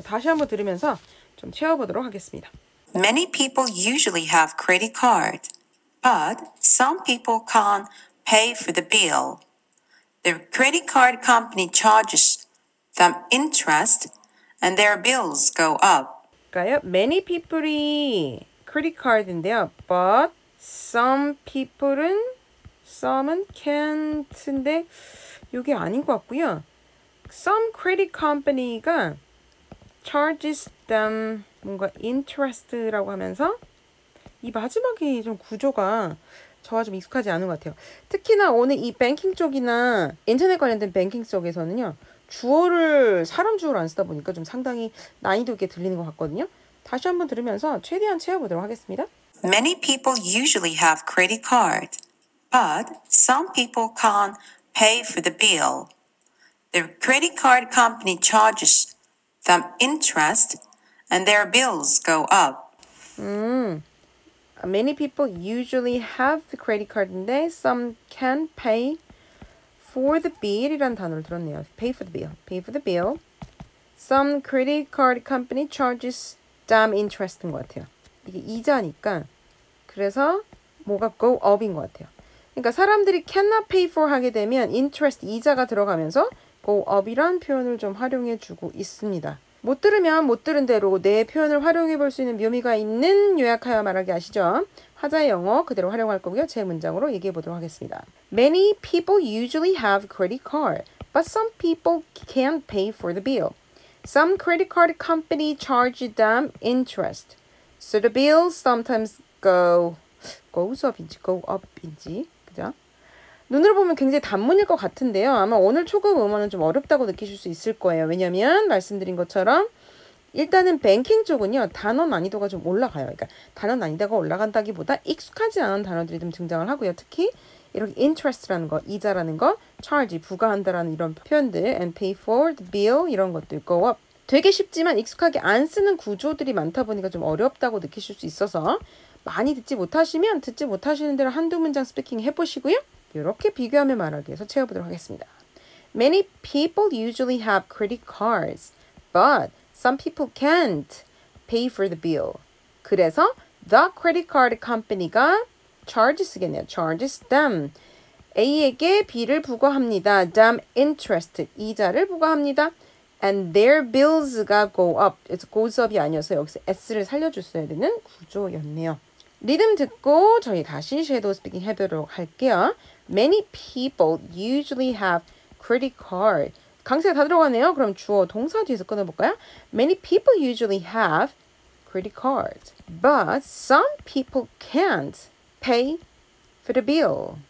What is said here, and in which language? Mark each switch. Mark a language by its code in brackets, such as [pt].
[ko] 다시 한번 들으면서 좀 채워보도록 하겠습니다. [en] Many people usually have credit card, but some people can't pay for the bill. The credit card company charges them interest and their bills go up. [ko] 그러니까요, [en] many people [ko] 이 [en] credit card [ko] 인데요, [en] but some people [ko] 은 some은 can't인데 이게 아닌 것 같고요. [en] Some credit company [ko] 가 [en] charges them [ko] 뭔가 interest라고 하면서 이 마지막이 좀 구조가 저와 좀 익숙하지 않은 것 같아요. 특히나 오늘 이 banking 쪽이나 인터넷 관련된 banking 쪽에서는요. 주어를 사람 주어를 안 쓰다 보니까 좀 상당히 난이도 있게 들리는 것 같거든요. 다시 한번 들으면서 최대한 채워보도록 하겠습니다. [en] Many people usually have credit card, but some people can't pay for the bill. The credit card company charges them interest and their bills go up. Many people usually have the credit card인데 some can pay for the bill이라는 [ko] 단어를 들었네요. [en] Pay for the bill. Pay for the bill. Some credit card company charges them interest인 [ko] 것 같아요. 이게 이자니까 그래서 뭐가 [en] go up [ko] 인 것 같아요. 그러니까 사람들이 [en] cannot pay for [ko] 하게 되면 interest 이자가 들어가면서 [en] go up [ko] 이란 표현을 좀 활용해주고 있습니다. 못 들으면 못 들은 대로 내 표현을 활용해볼 수 있는 묘미가 있는 요약하여 말하기 아시죠? 하자의 영어 그대로 활용할 거고요. 제 문장으로 얘기해 보도록 하겠습니다. [en] Many people usually have credit card, but some people can't pay for the bill. Some credit card company charge them interest. So the bill sometimes goes up인지 go up인지, [ko] 그죠? 눈으로 보면 굉장히 단문일 것 같은데요. 아마 오늘 초급 음원은 좀 어렵다고 느끼실 수 있을 거예요. 왜냐하면 말씀드린 것처럼 일단은 뱅킹 쪽은요. 단어 난이도가 좀 올라가요. 그러니까 단어 난이도가 올라간다기보다 익숙하지 않은 단어들이 좀 등장을 하고요. 특히 이렇게 interest라는 거, 이자라는 거, charge, 부과한다라는 이런 표현들 [en] and pay for the bill [ko] 이런 것들 [en] go up. [ko] 되게 쉽지만 익숙하게 안 쓰는 구조들이 많다 보니까 좀 어렵다고 느끼실 수 있어서 많이 듣지 못하시면 듣지 못하시는 대로 한두 문장 스피킹 해보시고요. 이렇게 비교하며 말하기 위해서 채워보도록 하겠습니다. [en] Many people usually have credit cards, but some people can't pay for the bill. [ko] 그래서 [en] the credit card company가 charges겠네요. Charges them. [ko] A에게 B를 부과합니다. [en] Them interest, [ko] 이자를 부과합니다. [en] And their bills가 go up. It's goes up [ko] 이 아니어서 여기서 S를 살려줬어야 되는 구조였네요. 리듬 듣고 저희 다시 섀도우 스피킹 해보도록 할게요. [en] Many people usually have credit card. [ko] 강세가 다 들어가네요. 그럼 주어 동사 뒤에서 끊어볼까요? [en] Many people usually have credit cards. But some people can't pay for the bill.